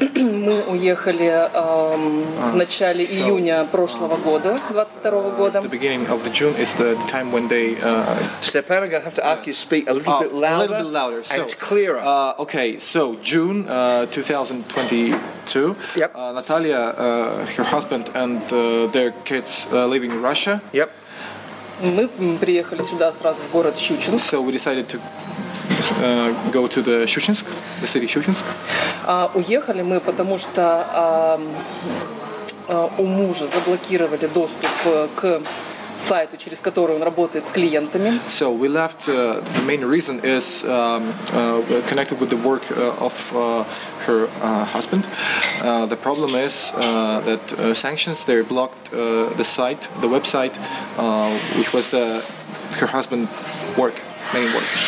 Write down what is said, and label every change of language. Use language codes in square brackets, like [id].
[ru] Мы уехали в начале июня прошлого года, 22-го года. [en] The beginning of the June is the time when they... Stepan, I'm going to have to ask you to speak a little bit louder. A little bit louder. So, and clearer. Okay, so June 2022. Yep. Natalia, her husband and their kids living in Russia. Yep. [ru] Мы приехали сюда сразу в город Щучинск. [en] So we decided to... go to the Щучинск, the city Щучинск. [ru] Уехали мы, потому что у мужа заблокировали доступ к сайту, через который он работает с клиентами. [en] So we left, the main reason is connected with the work of her husband. The problem is that sanctions, they blocked the site, the website, which was the her husband's work, main work.